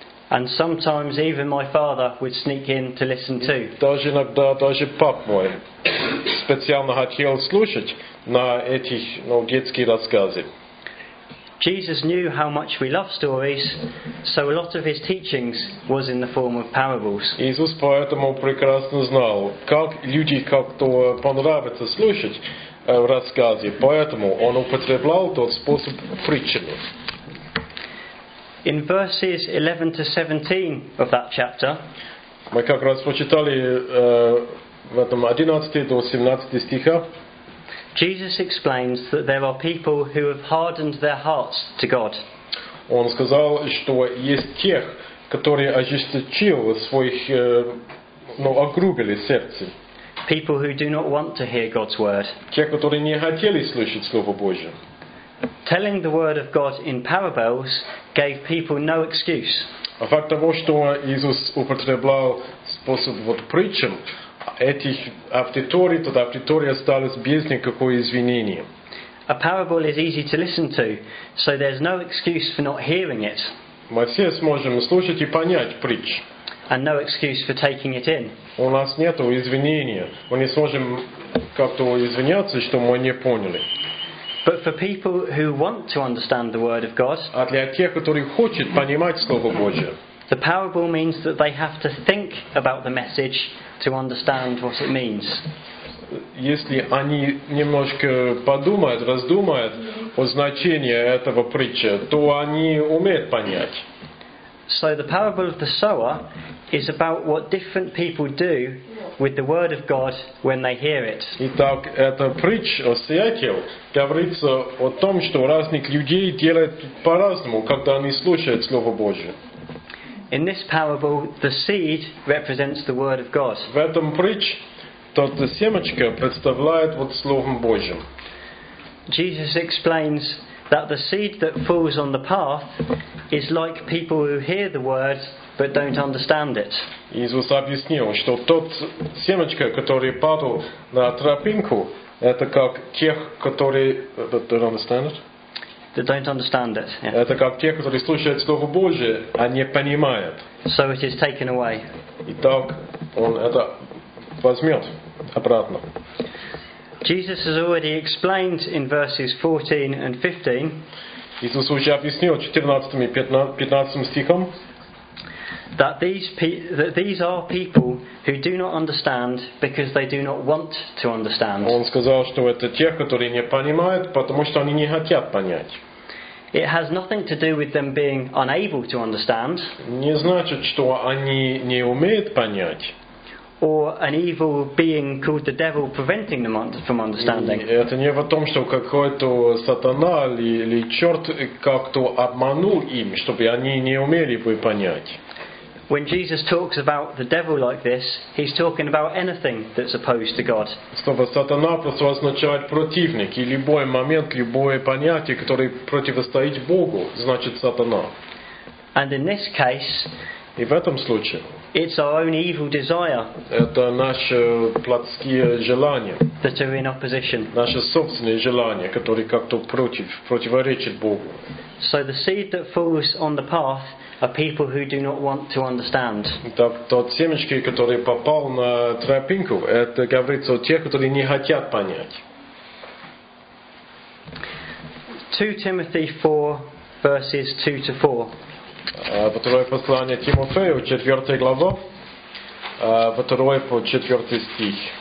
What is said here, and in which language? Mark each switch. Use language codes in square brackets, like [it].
[en] And sometimes even my father would sneak in to listen too. [ru] Даже иногда даже папа мой специально хотел слушать на этих, ну, детские рассказы. [en] Jesus knew how much we love stories, so a lot of his teachings was in the form of parables. [ru] Иисус поэтому прекрасно знал, как люди как-то понравится слушать рассказы, поэтому он употреблял тот способ притчи. [en] In verses 11 to 17 of that chapter, [ru] мы как раз прочитали в этом 11 до 17 стиха. [en] Jesus explains that there are people who have hardened their hearts to God. [ru] Он сказал, что есть тех, которые ожесточили своих, ну, огрубили сердце. [en] People who do not want to hear God's word. [ru] Те, которые не хотели слушать Слово Божие. [en] Telling the word of God in parables gave people no excuse. [ru] А факт того, что Иисус употреблял способ вот притчам, этих аудиторий, тот аудитория осталась без никакого извинения. [en] A parable is easy to listen to, so there's no excuse for not hearing it. [ru] Мы все сможем слушать и понять притч. [en] And no excuse for taking it in. [ru] У нас нет извинения. Мы не сможем как-то извиняться, что мы не поняли. [en] But for people who want to understand the word of God, [ru] а для тех, которые хочет понимать Слово Божие, [en] the parable means that they have to think about the message to understand what it means. [ru] если они немножко подумают, раздумают о значении этого притча, то они умеют понять. [en] So the parable of the sower is about what different people do with the word of God when they hear it. [ru] Итак, эта притча о сеятеле говорится о том, что разных людей делают по-разному, когда они слушают Слово Божие. [en] In this parable, the seed represents the word of God. [ru] В этом притч тот семечко представляет вот Словом Божьим. [en] Jesus explains that the seed that falls on the path is like people who hear the word but don't understand it. [ru] Иисус объяснил, что тот семечко, который падал на тропинку, это как тех, которые [en] don't understand it. They don't understand it. Yeah. [ru] Это как те, которые слушают Слово Божие, а не понимают. [en] So it is taken away. [ru] Итак, он это возьмет обратно. [en] Jesus has already explained in verses 14 and 15. [ru] Иисус уже объяснил 14 и 15 стихом. [en] That these are people who do not understand because they do not want to understand. [ru] Он сказал, что это те, которые не понимают, потому что они не хотят понять. [en] It has nothing to do with them being unable to understand. [ru] Не значит, что они не умеют понять. [en] Or an evil being called the devil preventing them from understanding. [ru] Это не в том, что какой-то сатана или черт как-то обманул им, чтобы они не умели бы понять. [en] When Jesus talks about the devil like this, he's talking about anything that's opposed to God. [ru] Слово сатана просто означает противник, и любой момент, любое понятие, которое противостоит Богу, значит сатана. [en] And in this case, [ru] и в этом случае, [en] it's our own evil desire. [ru] Это наши плотские желания. [en] That are in opposition. [ru] Наши собственные желания, которые как-то противоречат Богу. [en] So the seed that falls on the path are people who do not want to understand. [ru] Тот семечко, который попал на тропинку, это говорится о тех, которые не хотят понять. [en] 2 Timothy 4:2-4. [ru] Второе послание Тимофею, 4 глава, 2 по 4 стих.